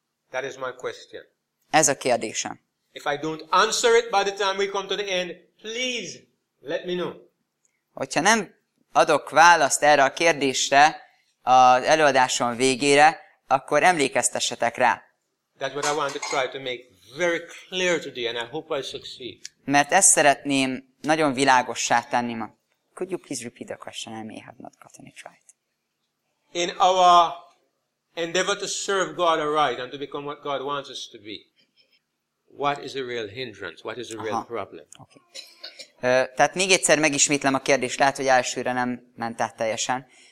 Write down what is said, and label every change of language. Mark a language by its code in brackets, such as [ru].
[en] That is my question. [hu] Ez a kérdésem. [en] If I don't answer it by the time we come to the end, please let me know. [hu] Hogyha nem adok választ erre a kérdésre az előadáson végére, akkor emlékeztessetek rá. [en] That's what I want to try to make very clear today, and I hope I succeed. [hu] Mert ezt szeretném nagyon világossá tenni ma. [en] Could you please repeat the question? I may have not gotten it right. In our endeavor to serve God aright and to become what God wants us to be, what is a real hindrance? What is a real problem? Okay. [hu] Tehát még egyszer megismétlem a kérdést, lehet, hogy elsőre nem ment át teljesen.